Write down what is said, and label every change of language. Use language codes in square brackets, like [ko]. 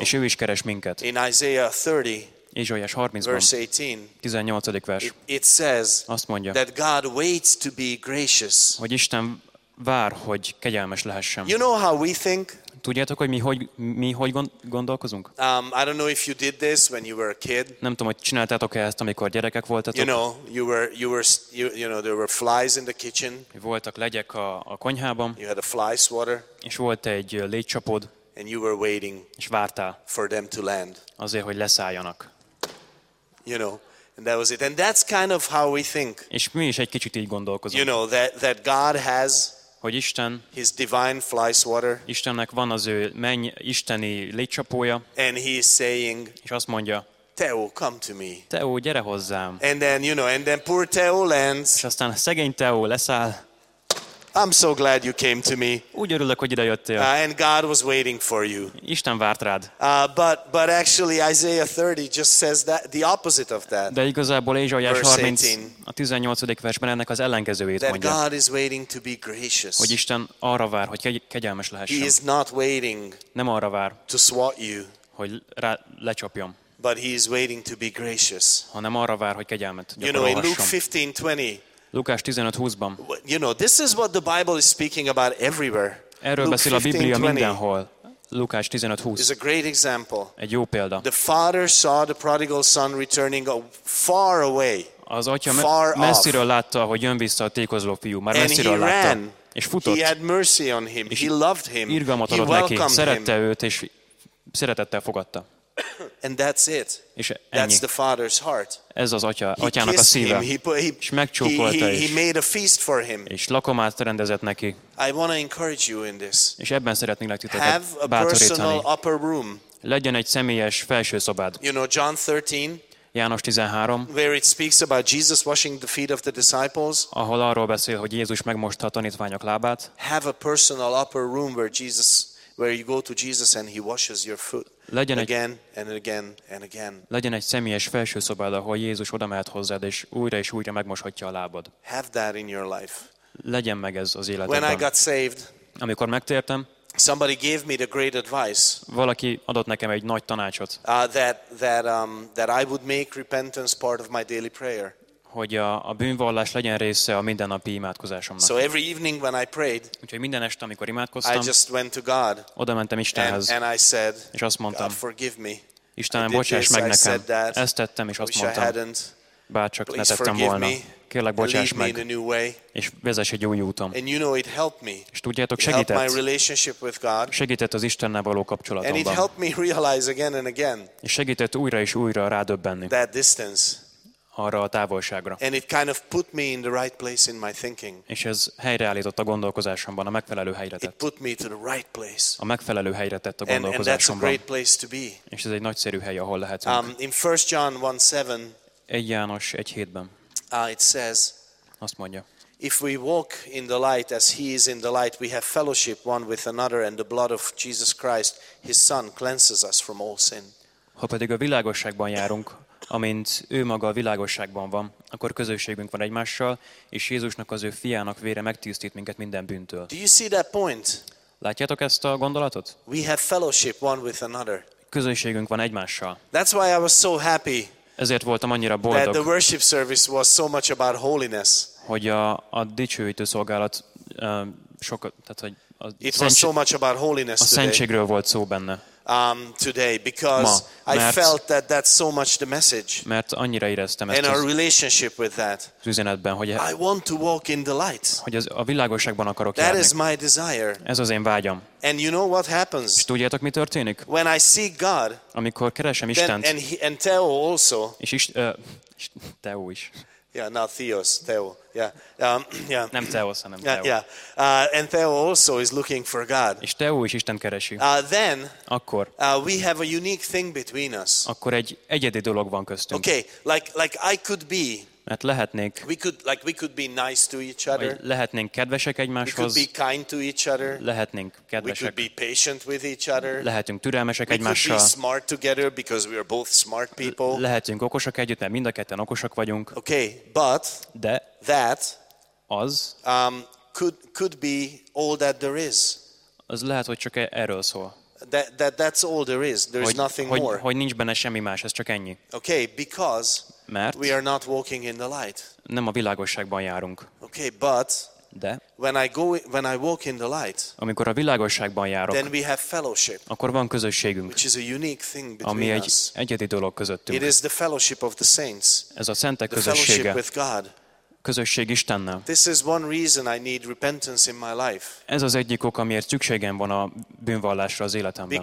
[hu] És ő is keres minket. [en] In Isaiah 30. [hu] Ézsaiás 30-ban, 18. vers, [en] it says [hu] azt mondja, [en] that God waits to be gracious. [hu] Hogy Isten vár, hogy kegyelmes lehessen. [en] You know how we think? [hu] Tudjátok, hogy mi hogy gondolkozunk? [en] I don't know if you did this when you were a kid. [hu] Nem tudom, hogy csináltátok-e ezt, amikor gyerekek voltatok. [en] You know, you know there were flies in the kitchen. [hu] Voltak legyek a konyhában. [en] You had a fly swatter. [hu] És volt egy légycsapód. [en] And you were waiting for them to land. [hu] Azért, hogy leszálljanak. [en] You know, and that was it. And that's kind of how we think. [hu] És mi is egy kicsit így gondolkozunk. [en] You know, that God has, [hu] hogy Isten, [en] his divine fly swatter. [hu] Istennek van az ő menny isteni légycsapója. [en] And he is saying, [hu] és azt mondja, [en] Teo, come to me. [hu] Teo, gyere hozzám. [en] And then, you know, and then poor Teo lands. [hu] És aztán szegény Teo leszáll. [en] I'm so glad you came to me. [hu] Úgy örülök, hogy ide jöttél. [en] And God was waiting for you. [hu] Isten várt rád. [en] But actually Isaiah 30 just says that the opposite of that. [hu] De igazából Ézsaiás 30 a 18. versben ennek az ellenkezőjét [en] that [hu] mondja. [en] God is waiting to be gracious. [hu] Hogy Isten arra vár, hogy kegyelmes lehessen. [en] He is not waiting. [hu] Nem arra vár. [en] To swat you. [hu] Hogy rá lecsapjam. [en] But he is waiting to be gracious. [hu] Hanem arra vár, hogy kegyelmet gyakorolhasson. [en] You know, in Luke 15:20. [hu] Lukás 15:20-ban. [en] You know, this is what the Bible is speaking about everywhere. [hu] Erről beszél a Biblia mindenhol. Lukás 15:20. [en] Is a great example. [hu] Egy jó példa. [en] The father saw the prodigal son returning far away. [hu] Az atya messziről látta, hogy jön vissza a tékozló fiú, már messziről látta. És futott. [en] He had mercy on him. He loved him. [hu] Irgalmat adott neki, szerette őt és szeretettel fogadta. [en] And that's it. [hu] És ennyi. [en] That's the father's heart. [hu] Ez az atyának a szíve. És megcsókolta is. [en] He made a feast for him. [hu] És lakomát rendezett neki. [en] I want to encourage you in this. [hu] És ebben szeretnélek titeket bátorítani. [en] Have a personal upper room. [hu] Legyen egy személyes felső szobád. [en] You know, John 13. [hu] János 13. [en] Where it speaks about Jesus washing the feet of the disciples. [hu] Ahol arról beszél, hogy Jézus megmosta a tanítványok lábát. [en] Have a personal upper room where you go to Jesus and he washes your foot. [hu] Legyen [en] again and again and again. [hu] Legyen egy személyes felső szobád, ahol Jézus oda mehet hozzád, és újra megmoshatja a lábad. [en] Have that in your life. [hu] Legyen meg ez az életedben. [en] When I got saved, [hu] amikor megtértem, [en] somebody gave me the great advice. [hu] Valaki adott nekem egy nagy tanácsot. [en] That I would make repentance part of my daily prayer. [hu] Hogy a bűnvallás legyen része a mindennapi imádkozásomnak. [en] So every evening when I prayed, [hu] úgyhogy minden este, amikor imádkoztam, [en] I just went to God, [hu] oda mentem Istenhez, [en] and I said, [hu] és azt mondtam, [en] God, forgive me. [hu] Istenem, bocsáss meg nekem. [en] I said that. [hu] Ezt tettem, és azt mondtam, [en] I hadn't. [hu] Bárcsak ne tettem volna. Kérlek, bocsáss meg, [en] me in a new way. [hu] És vezess egy új úton. [en] And you know, it helped me. [hu] És tudjátok, segített. [en] It helped my relationship with God. [hu] Segített az Istennel való kapcsolatomban. [en] And it helped me realize again and again, [hu] és segített újra és újra rádöbbenni. [en] That distance. [hu] Arra a távolságra. [en] And it kind of put me in the right place in my thinking. [hu] És ez helyreállított a gondolkozásomban, a megfelelő helyre tett. [en] It put me to the right place. [hu] A megfelelő helyre tett a gondolkozásomban. [en] And that's a great place to be. [hu] És ez egy nagyszerű hely, ahol lehetünk. [en] In 1 John 1:7. [hu] 1 János 1:7-ben. [en] It says, [hu] azt mondja, [en] if we walk in the light as he is in the light, we have fellowship one with another, and the blood of Jesus Christ, his son, cleanses us from all sin. [hu] Ha pedig a világosságban járunk, amint ő maga a világosságban van, akkor közösségünk van egymással, és Jézusnak az ő fiának vére megtisztít minket minden bűntől. [en] Do you see that point? [hu] Látjátok ezt a gondolatot? [en] We have fellowship one with another. [hu] Közösségünk van egymással. [en] That's why I was so happy. [hu] Ezért voltam annyira boldog. [en] That the worship service was so much about holiness. [hu] Hogy a dicsőítő szolgálat A szentségről volt szó benne. [en] Today because [hu] ma, [en] I felt that that's so much the message. [hu] Mert annyira éreztem ezt. [en] In our relationship with that. [hu] Üzenetben, hogy [en] I want to walk in the light. [hu] Hogy az, a világosságban akarok [en] that [hu] járni. [en] Is my desire. [hu] Ez az én vágyam. [en] And you know what happens? [hu] És tudjátok, mi történik? [en] When I see God. [hu] Amikor keresem Istent. [en] Then, and Theo also. [hu] És is, Theo is. [en] Yeah, not Theos, Theo. Yeah. [hu] Nem Theos, hanem [en] Theo. Yeah. And Theo also is looking for God. [hu] És Theo is Istent keresi. [en] Then [hu] akkor. [en] We have a unique thing between us. [hu] Akkor egy egyedi dolog van köztünk. [en] Okay, like I could be. [hu] Mert lehetnék. [en] We could be nice to each other. [hu] Lehetnénk kedvesek egymáshoz. [en] We could be kind to each other. [hu] Lehetnénk kedvesek. [en] We could be patient with each other. [hu] Lehetünk türelmesek egymással. [en] We could be smart together because we are both smart people. [hu] Lehetünk okosak együtt, mert mind a ketten okosak vagyunk. [en] Okay, but [hu] de [en] that [hu] az [en] could be all that there is. [hu] Az lehet, hogy csak erről szól. [en] That's all there is. There's nothing more. [hu] Hogy nincs benne semmi más, ez csak ennyi. [en] Okay, because [hu] mert [en] we are not walking in the light. [hu] Nem a világosságban járunk. [en] Okay, but [hu] de [en] when I walk in the light, [hu] amikor a világosságban járok, [en] then we have fellowship, [hu] akkor van közösségünk, [en] which is a unique thing between [hu] ami [en] us. [hu] Egy egyedi dolog közöttünk. [en] It is the fellowship of the saints. [hu] Ez a szentek [en] the [hu] közössége. [en] The fellowship with God. [hu] Közösség Istennel. [en] This is one reason I need repentance in my life. [hu] Ez az egyik ok, amiért szükségem van a bűnvallásra az életemben.